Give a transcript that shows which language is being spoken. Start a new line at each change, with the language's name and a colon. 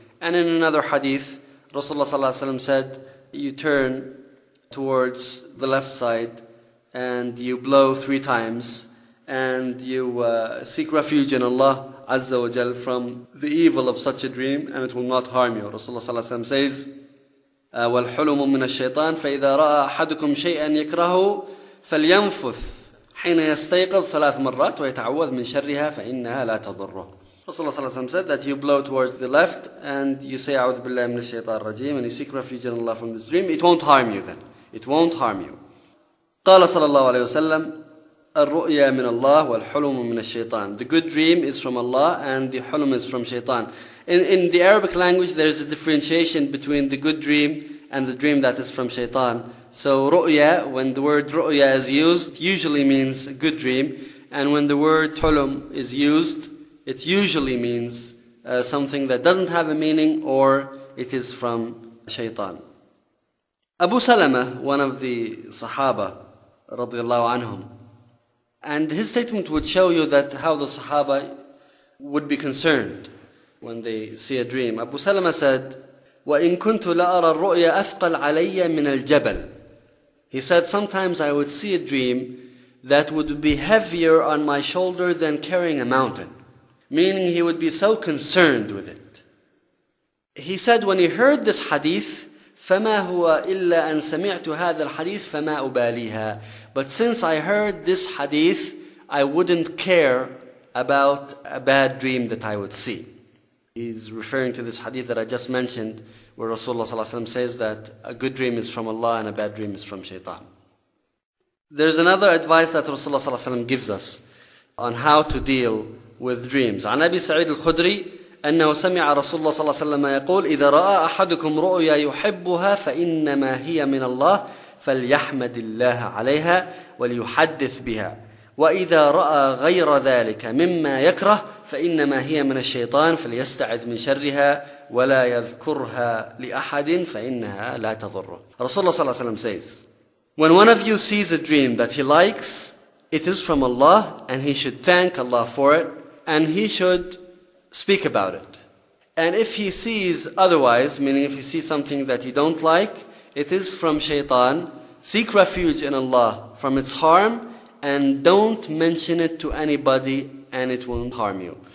English: And in another hadith, Rasulullah sallallahu alaihi wasallam said, you turn towards the left side and you blow three times and you seek refuge in Allah Azza wa Jal from the evil of such a dream and it will not harm you.
Arabic: Rasulullah sallallahu alaihi wasallam says, وَالْحُلُمُ مِنَ الشَّيْطَانِ فَإِذَا رَأَى أَحَدُكُمْ شَيْئًا يَكْرَهُ فَلْيَنْفُثْ حِينَ يَسْتَيْقَظْ ثَلَاث مَرَّاتْ وَيَتَعَوَّذْ مِنْ شَرِّهَا فَإِنَّهَا لَا تَضُرُّهُ.
English: Rasulullah sallallahu alaihi wasallam said that you blow towards the left and you say
Arabic: أعوذ بالله من الشيطان الرجيم
English: and you seek refuge in Allah from this dream, it won't harm you then. It won't harm you.
Arabic: قال صلى الله عليه وسلم الرؤيا من الله والحلم من الشيطان.
English: The good dream is from Allah and the حلم is from شيطان. In the Arabic language, there is a differentiation between the good dream and the dream that is from شيطان. So رؤيا, when the word رؤيا is used, usually means a good dream. And when the word حلم is used, it usually means something that doesn't have a meaning or it is from shaitan. Abu Salama, one of the Sahaba, radiallahu anhum, and his statement would show you that how the Sahaba would be concerned when they see a dream. Abu Salama said,
Arabic: وَإِن كُنْتُ لَأَرَى الرُّؤْيَا أَثْقَلْ عَلَيَّ مِنَ الْجَبَلِ.
English: He said, sometimes I would see a dream that would be heavier on my shoulder than carrying a mountain. Meaning he would be so concerned with it. He said, when he heard this hadith,
Arabic: فَمَا هُوَ إِلَّا أَن سَمِعْتُ هَذَا الْحَدِيثِ فَمَا أُبَالِيهَا.
English: But since I heard this hadith, I wouldn't care about a bad dream that I would see. He's referring to this hadith that I just mentioned, where Rasulullah sallallahu alaihi wasallam says that a good dream is from Allah and a bad dream is from shaitan. There's another advice that Rasulullah sallallahu alaihi wasallam gives us on how to deal with dreams.
Arabic: عن أبي سعيد الخدري أنه سمع رسول الله صلى الله عليه وسلم يقول إذا رأى أحدكم رؤيا يحبها فإنما هي من الله فليحمد الله عليها وليحدث بها وإذا رأى غير ذلك مما يكره فإنما هي من الشيطان فليستعذ من شرها ولا يذكرها لأحد فإنها لا تضره.
English: رسول الله صلى الله عليه وسلم says, when one of you sees a dream that he likes, it is from Allah, and he should thank Allah for it, and he should speak about it. And if he sees otherwise, meaning if he sees something that he don't like, it is from shaitan, seek refuge in Allah from its harm, and don't mention it to anybody, and it won't harm you.